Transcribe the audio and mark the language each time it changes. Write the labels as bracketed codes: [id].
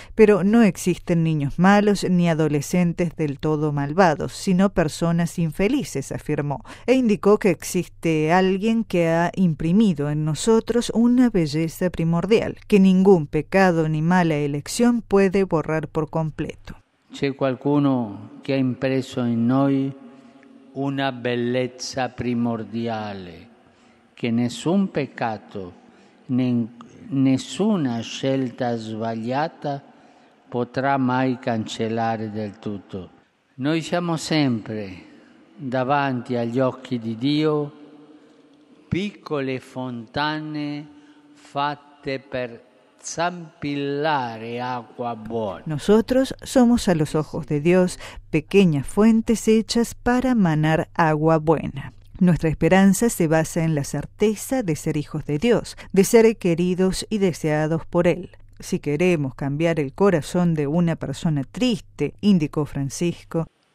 [es] Pero no existen niños malos ni adolescentes del todo malvados, sino personas infelices, afirmó. E indicó que existe alguien que ha imprimido en nosotros una belleza primordial, que ningún pecado ni mala elección puede borrar por completo. [it] C'è qualcuno che ha impreso in noi una bellezza primordiale. Che nessun peccato, nessuna scelta sbagliata potrà mai cancellare del tutto. Noi siamo sempre davanti agli occhi di Dio piccole fontane fatte per zampillare acqua buona. [es] Nosotros somos a los ojos de Dios pequeñas fuentes hechas para manar agua buena. Nuestra esperanza se basa en la certeza de ser hijos de Dios, de ser queridos y deseados por Él. Si queremos cambiar el corazón de una persona triste, indicó Francisco,